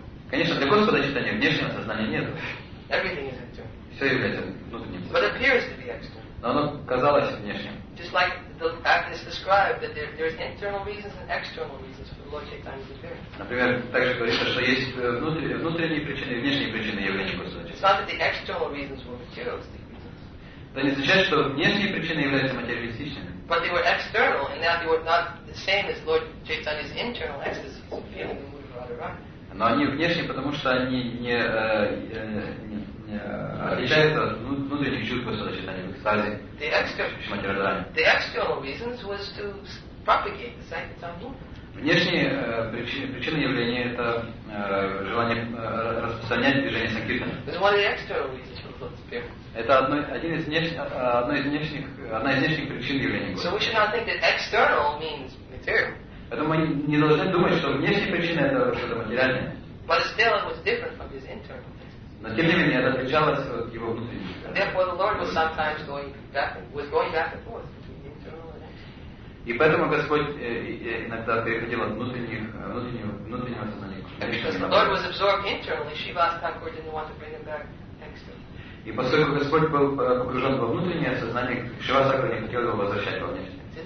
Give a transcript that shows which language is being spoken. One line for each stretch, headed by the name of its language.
Russian: Конечно, для Господа Чайтанья внешнего сознания нет.
English: Everything is external.
Russian: Все является внутренним.
English: But it appears to be external.
Russian: Но оно казалось внешним.
English: Just like the actors describe that there's internal reasons and external reasons for the Lord Chaitanya's appearance.
Russian: Например, также говорится, что есть внутренние причины и внешние причины явления Господа Чайтанья.
English: It's not that the external reasons were materialistic.
Russian: Это не означает, что внешние причины являются материалистичными.
English: But they were external, and that they were not the same as Lord Chaitanya's internal ecstasy, feeling the mood
Russian: Но они внешние, потому что они не отличаются от внутренних чувств Господа Чайтанья в экстазе.
English: The external reasons was to propagate the sankirtan movement.
Russian: Внешние причины явления это желание распространять движение сакиртана.
English: It's one of the external reasons for Lord's appearance.
Russian: Это одна из внешних причин явления Господа.
English: So we should not think that external means material.
Russian: Поэтому мы не должны думать, что внешняя причина это что-то материальное.
English: But still it was different from his internal.
Russian: Но тем не менее это отличалось от его внутреннего.
English: Therefore the Lord was sometimes going back and forth between internal and external.
Russian: И поэтому Господь иногда переходил от внутреннего сознания к внешнему.
English: The Lord was absorbed internally. Shrivas Thakur didn't want to bring him back externally.
Russian: И поскольку Господь был погружен во внутреннее сознание, Шривас Тхакур не хотел его возвращать во внешнее.